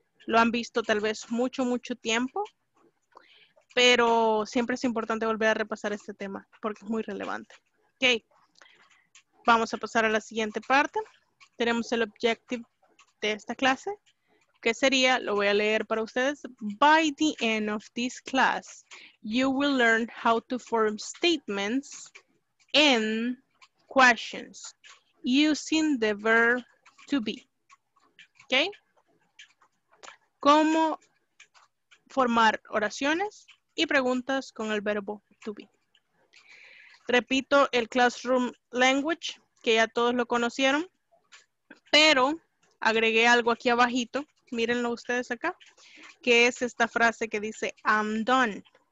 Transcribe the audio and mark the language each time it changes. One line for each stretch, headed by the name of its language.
Spanish: Lo han visto tal vez mucho tiempo. Pero siempre es importante volver a repasar este tema porque es muy relevante. Ok. Vamos a pasar a la siguiente parte. Tenemos el objective de esta clase, que sería, lo voy a leer para ustedes.
English: By the end of this class, you will learn how to form statements and questions using the verb to be. Ok.
Spanish: ¿Cómo formar oraciones y preguntas con el verbo to be? Repito el classroom language, que ya todos lo conocieron, pero agregué algo aquí abajito, mírenlo ustedes acá, que es esta frase que dice,
English: I'm done.